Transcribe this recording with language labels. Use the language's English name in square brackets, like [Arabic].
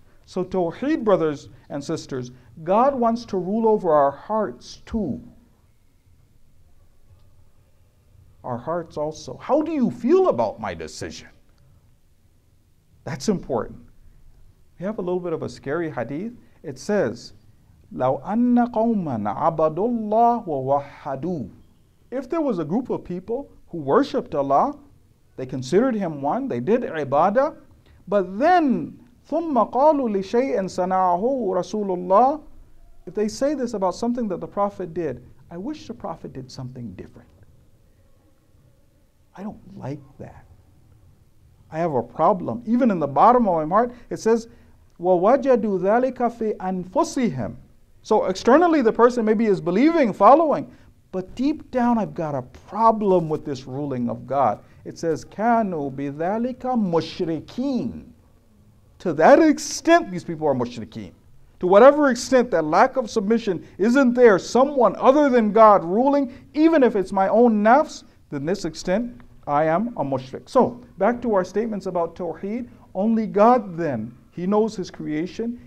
[English] So Tawheed, brothers and sisters, God wants to rule over our hearts too. Our hearts also. How do you feel about my decision? That's important. We have a little bit of a scary hadith. It says, [Arabic] لَوْ أَنَّ قَوْمًا عَبَدُ اللَّهُ وَوَحَّدُوا. [English] If there was a group of people who worshipped Allah, they considered him one, they did ibadah, but then, [Arabic] ثُمَّ قَالُوا لِشَيْءٍ صَنَعَهُ رَسُولُ اللَّهِ. [English] If they say this about something that the Prophet did, I wish the Prophet did something different. I don't like that. I have a problem. Even in the bottom of my heart, it says, [Arabic] وَوَجَدُوا ذَلِكَ فِي أَنفُسِهِمْ. [English] So externally, the person maybe is believing, following, but deep down, I've got a problem with this ruling of God. It says, [Arabic] كَانُوا بِذَلِكَ مُشْرِكِينَ. [English] To that extent, these people are mushrikeen. To whatever extent that lack of submission isn't there, someone other than God ruling, even if it's my own nafs, then this extent, I am a mushrik. So, back to our statements about Tawheed. Only God then, he knows his creation.